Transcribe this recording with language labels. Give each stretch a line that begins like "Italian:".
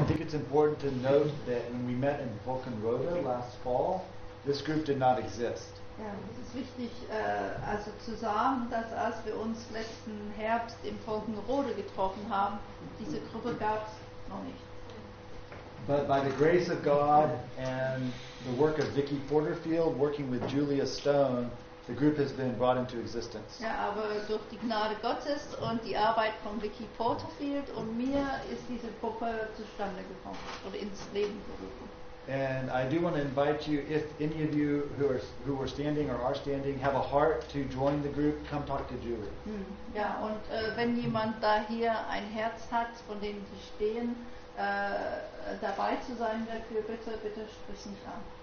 English: I think it's important to note that when we met in Volkenrode last fall, this group did not exist.
German: Ja, es ist wichtig, also zu sagen, dass als wir uns letzten Herbst in Volkenrode getroffen haben, diese Gruppe gab es noch nicht.
English: But by the grace of God and the work of Vicky Porterfield working with Julia Stone, the group has been brought into existence.
German: Ja, aber durch die Gnade Gottes und die Arbeit von Vicky Porterfield und mir ist diese Gruppe zustande gekommen oder ins Leben gerufen.
English: And I do want to invite you, if any of you who are standing or are standing have a heart to join the group, come talk to Julie.
German: Ja, und wenn jemand da hier ein Herz hat, von dem sie stehen, dabei zu sein, dafür bitte sprechen kann.